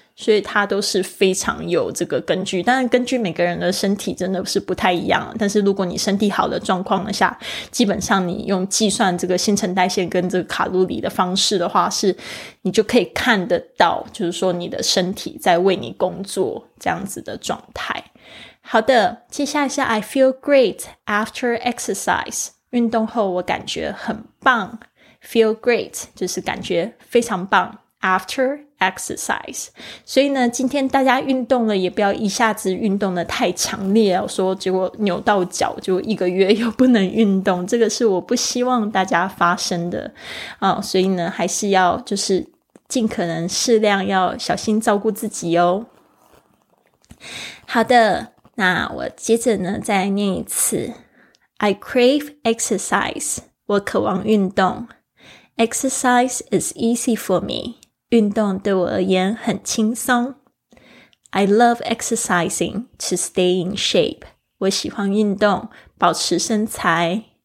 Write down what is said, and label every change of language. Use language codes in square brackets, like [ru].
[zh] 所以它都是非常有这个根据，当然根据每个人的身体真的是不太一样，但是如果你身体好的状况下，基本上你用计算这个新陈代谢跟这个卡路里的方式的话，是你就可以看得到就是说你的身体在为你工作这样子的状态。好的，接下来是 [en] I feel great after exercise， [zh] 运动后我感觉很棒。 [en] feel great [zh] 就是感觉非常棒， [en] after exercise。 [zh] 所以呢今天大家运动了也不要一下子运动的太强烈哦，说结果扭到脚就一个月又不能运动，这个是我不希望大家发生的哦，所以呢还是要就是尽可能适量，要小心照顾自己哦。好的，那我接着呢再来念一次。 [en] I crave exercise， [zh] 我渴望运动。 [en] Exercise is easy for me， [zh] 运动对我而言很轻松。 [en] I love exercising to stay in shape， [zh] 我喜欢运动保持身材。